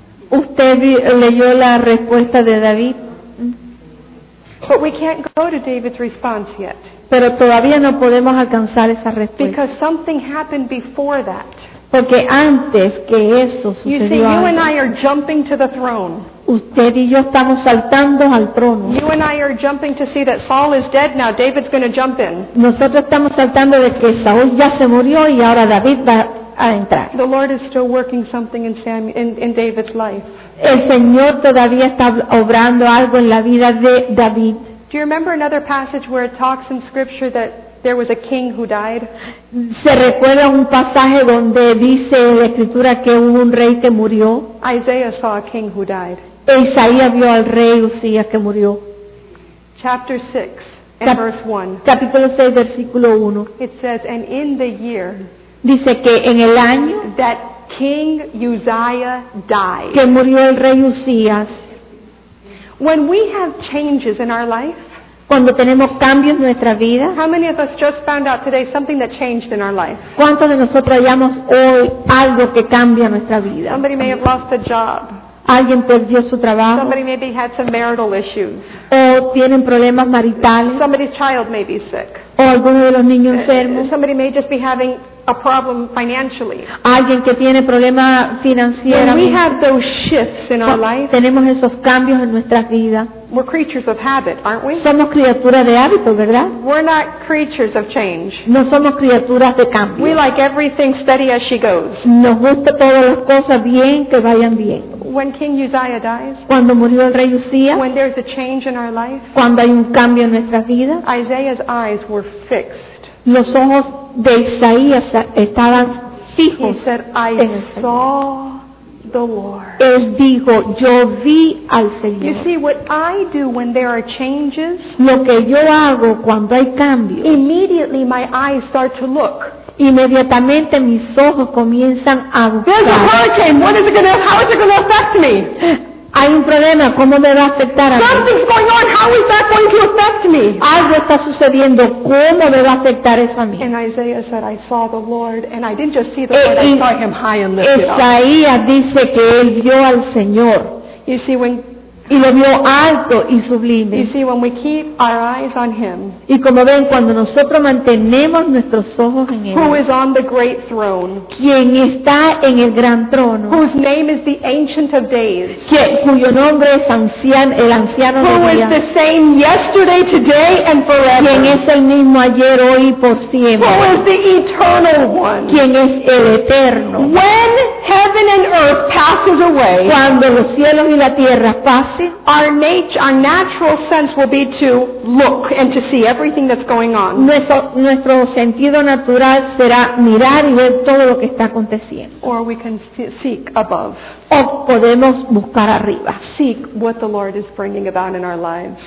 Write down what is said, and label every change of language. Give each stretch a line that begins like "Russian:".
Spanish: ¿Usted leyó la respuesta de David?
English: But we can't go to David's response yet.
Spanish: Pero todavía no podemos alcanzar esa respuesta.
English: Because something happened before that.
Spanish: Porque antes que eso sucedió.
English: You see, you and I are jumping to the throne.
Spanish: Usted y yo estamos saltando al trono.
English: You and I are jumping to see that Saul is dead now. David's going to jump in.
Spanish: Nosotros estamos saltando de que Saúl ya se murió y ahora David va a entrar.
English: The Lord is still working something in Samuel, in David's life.
Spanish: El Señor todavía está obrando algo en la vida de David.
English: Do you remember another passage where it talks in Scripture that there was a king who died?
Spanish: ¿Se recuerda un pasaje donde dice en la Escritura que hubo un rey que murió?
English: Isaiah saw a king who died.
Spanish: Isaías vio al rey Usías que murió.
English: Chapter 6 and verse 1.
Spanish: Capítulo 6, versículo 1.
English: It says, and in the year,
Spanish: dice que en el año
English: that King Uzziah died,
Spanish: que murió el rey Usías.
English: When we have changes in our life,
Spanish: cuando tenemos cambios en nuestra vida,
English: how many of us just found out today something that changed in our life?
Spanish: ¿Cuántos de nosotros hallamos hoy algo que cambia nuestra vida?
English: Somebody may have lost a job.
Spanish: Alguien perdió su trabajo.
English: Somebody maybe had some marital issues.
Spanish: O tienen problemas maritales.
English: Somebody's child may be sick.
Spanish: O alguno de los niños enfermos.
English: Somebody may just be having a problem financially.
Spanish: Alguien que tiene problema financiero.
English: We have those shifts in our life.
Spanish: Tenemos esos cambios en nuestras vidas.
English: We're creatures of habit, aren't we?
Spanish: Somos criaturas de hábito, ¿verdad?
English: We're not creatures of change.
Spanish: No somos criaturas de cambio.
English: We like everything steady as she goes.
Spanish: Nos gusta todas las cosas bien que vayan bien.
English: When King Uzziah dies,
Spanish: cuando murió el rey Usías,
English: when there's a change in our life,
Spanish: cuando hay un cambio en nuestras vidas,
English: Isaiah's eyes were fixed.
Spanish: Los ojos de Isaías estaban fijos.
English: He said, I saw the Lord.
Spanish: Él dijo, yo vi al Señor.
English: You see, what I do when there are changes,
Spanish: lo que yo hago cuando hay cambios,
English: immediately my eyes start to look.
Spanish: Inmediatamente mis ojos comienzan a buscar.
English: There's a hurricane. What is it gonna, how is it going to affect me?
Spanish: Hay un problema, ¿cómo me va a afectar a mí?
English: Something's going on, how is that going to affect me?
Spanish: Algo está sucediendo, ¿cómo me va a afectar eso a mí?
English: And Isaiah said, I saw the Lord, and I didn't just see the Lord, I saw him high and lifted up.
Spanish: Isaías dice que él vio al Señor.
English: You see, when,
Spanish: y lo vio alto y sublime.
English: You see, when we keep our eyes on him,
Spanish: y como ven, cuando nosotros mantenemos nuestros ojos en él,
English: who is on the great throne,
Spanish: quien está en el gran trono,
English: whose name is the Ancient of Days,
Spanish: cuyo nombre es ancian, el anciano
English: who
Spanish: de
English: días, is the same yesterday, today, and forever,
Spanish: quien es el mismo ayer, hoy y por siempre,
English: who is the eternal one,
Spanish: quien es el eterno.
English: When heaven and earth passes away,
Spanish: cuando los cielos y la tierra pasan, hacen.
English: Our natural sense will be to look and to see everything that's going on.
Spanish: Nuestro sentido natural será mirar y ver todo lo que está aconteciendo.
English: Or we can seek above.
Spanish: O podemos buscar arriba.
English: Seek what the Lord is bringing about in our lives.